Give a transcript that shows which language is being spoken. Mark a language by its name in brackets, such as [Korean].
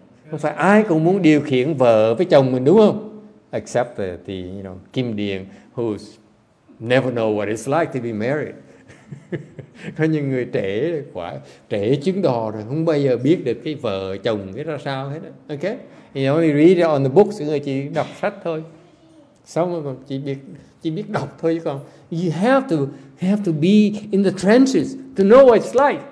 [Vietnamese] Không phải ai cũng muốn điều khiển vợ với chồng mình, đúng không? [English] Except the you know, Kim Điền, who never know what it's like to be married. [Vietnamese] Có những người trễ chứng đò rồi, không bao giờ biết được cái vợ chồng cái ra sao hết đó. Okay? [English] You only read it on the books, [Vietnamese] người chỉ đọc sách thôi. Xong rồi chỉ biết đọc thôi chứ còn. [English] You have to be in the trenches to know what it's like.